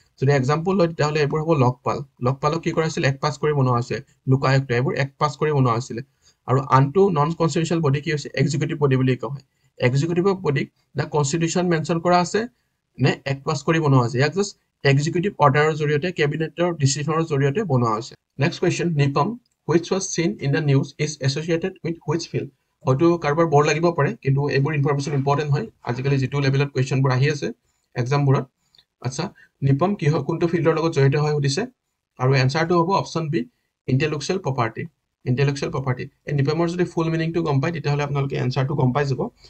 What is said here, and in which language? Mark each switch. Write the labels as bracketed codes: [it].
[as] যদি এক্সাম্পল লয় তেতিয়াহ'লে এইবোৰ হ'ব লোকপাল। লোকপালক কি কৰা হৈছিল, এক্ট পাছ কৰি বনোৱা হৈছে, লোকায়ুক্ত, এইবোৰ এক্ট পাছ কৰি বনোৱা হৈছিলে। আৰু আনটো নন কনষ্টিটিউচনেল বডি কি হৈছে, এক্সিকিউটিভ বডি বুলি কোৱা হয়। এক্সিকিউটিভ বডিক দা কনষ্টিটিউচন মেনশ্যন কৰা আছে নে এক্ট পাছ কৰি বনোৱা হৈছে, ইয়াক জাষ্ট এক্সিকিউটিভ অৰ্ডাৰৰ জৰিয়তে, কেবিনেটৰ ডিচিশ্যনৰ জৰিয়তে বনোৱা হৈছে। [en] Next question, নিপম which was seen in the news is associated with which field. [as] হয়তো কাৰোবাৰ বৰ লাগিব পাৰে, কিন্তু এইবোৰ ইনফৰমেশ্যন ইম্পৰ্টেণ্ট হয়, আজিকালি যিটো লেভেলত কুৱেশ্যনবোৰ আহি আছে এক্সামবোৰত। আচ্ছা, নিপম কি হয়, কোনটো ফিল্ডৰ লগত জড়িত হয় সুধিছে, আৰু এনচাৰটো হ'ব option B, intellectual property. Intellectual property, এই নিপমৰ যদি ফুল মিনিংটো গম পায় তেতিয়াহ'লে আপোনালোকে এনচাৰটো গম পাই যাব।